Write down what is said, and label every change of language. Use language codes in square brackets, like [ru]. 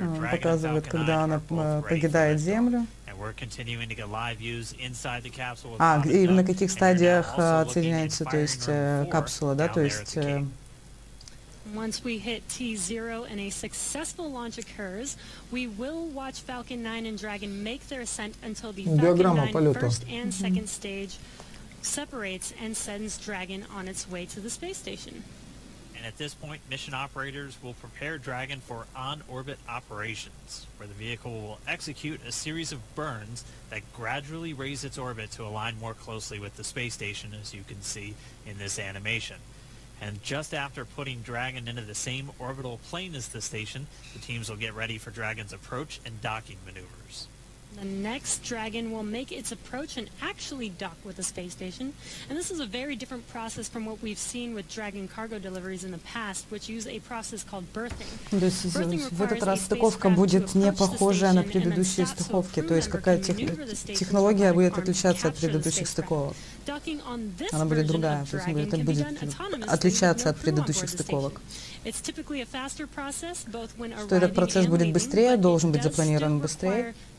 [ru] Показывает, когда она покидает Землю. И на каких стадиях отсоединяется, то есть капсула, да, то есть [en] Once we hit T0 and a successful launch occurs, we will watch Falcon 9 and Dragon make their ascent until the Falcon 9 first and second stage separates and sends Dragon on its way to the space station. And at this point, mission operators will prepare Dragon for on-orbit operations, where the vehicle will execute a series of burns that gradually raise its orbit to align more closely with the space station, as you can see in this animation. And just after putting Dragon into the same orbital plane as the station, the teams will get ready for Dragon's approach and docking maneuvers. The next Dragon will make its approach and actually dock with the space station. And this is a very different process from what we've seen with Dragon cargo deliveries in the past, which use a process called berthing. [ru] То есть в этот раз стыковка будет не похожая на предыдущие стыковки. То есть какая технология будет отличаться от предыдущих стыковок? Она будет другая, то есть это будет отличаться от предыдущих стыковок. Что этот процесс будет быстрее, должен быть запланирован быстрее.